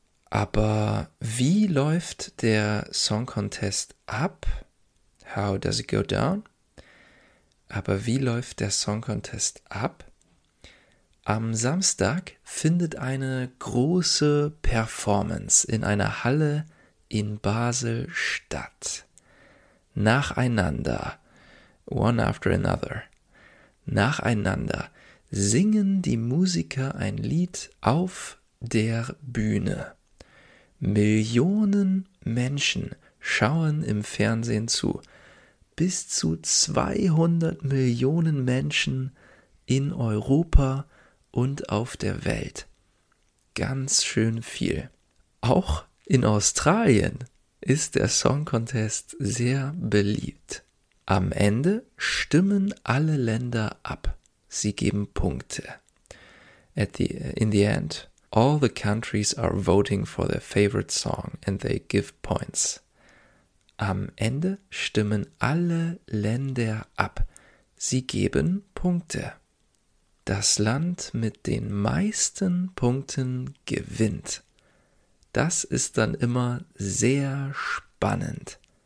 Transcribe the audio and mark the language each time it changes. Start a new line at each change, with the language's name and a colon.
German: Aber wie läuft der Song Contest ab?
English: How does it go down?
German: Aber wie läuft der Song Contest ab? Am Samstag findet eine große Performance in einer Halle in Basel statt.
English: Nacheinander, one after another.
German: Nacheinander singen die Musiker ein Lied auf der Bühne. Millionen Menschen schauen im Fernsehen zu. Bis zu 200 Millionen Menschen in Europa und auf der Welt. Ganz schön viel. Auch in Australien ist der Song Contest sehr beliebt. Am Ende stimmen alle Länder ab. Sie geben Punkte.
English: In the end, all the countries are voting for their favorite song and they give points.
German: Am Ende stimmen alle Länder ab. Sie geben Punkte. Das Land mit den meisten Punkten gewinnt. Das ist dann immer sehr spannend.